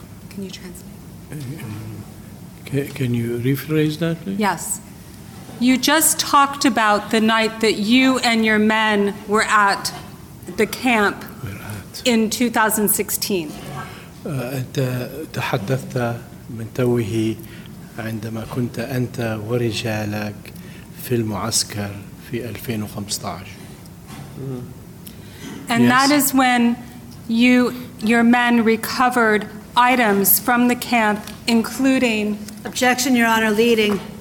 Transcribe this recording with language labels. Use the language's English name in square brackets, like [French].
[English] Can you translate? Can you rephrase that, please? Yes. You just talked about the night that you and your men were at the camp in 2016. [Arabic] أنت تحدثت من توه عندما كنت أنت ورجالك في المعسكر في 2015. [English] And yes. That is when you, your men recovered items from the camp, including... Objection, Your Honor, leading.